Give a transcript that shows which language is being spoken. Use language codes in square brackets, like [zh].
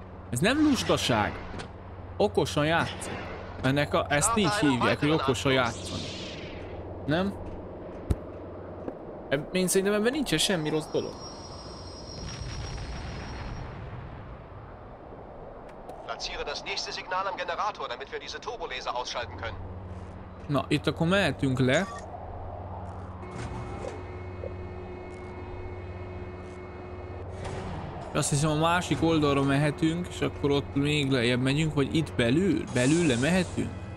[hu] Ez nem lustaság. Okosan játszik. Ennek a, ezt így hívják, hogy okosan játszik. Nem? Én szerintem ebben nincsen semmi rossz dolog. [de] Platziere das nächste Signal am Generator, damit wir diese Turbolaser ausschalten können. [hu] Na, itt akkor mehetünk le. Azt hiszem a másik oldalra mehetünk, és akkor ott még lejjebb megyünk, vagy itt belül? Belül le mehetünk?